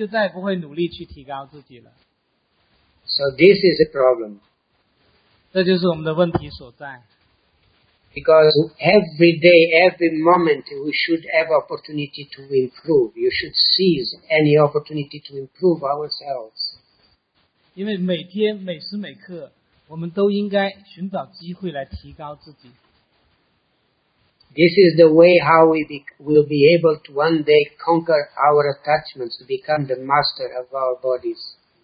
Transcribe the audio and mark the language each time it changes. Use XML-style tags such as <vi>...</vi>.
<zh>因为一旦我们认为自己OK了的时候呢，我们就再也不会努力去提高自己了。</zh> <en>So this is the problem.</en> <zh>这就是我们的问题所在。</zh> <en>Because every day, every moment, we should have opportunity to improve. You should seize any opportunity to improve ourselves.</en> <zh>因为每天每时每刻，我们都应该寻找机会来提高自己。</zh> <en>This is the way how we will be able to one day conquer our attachments, become the master of our bodies.</en>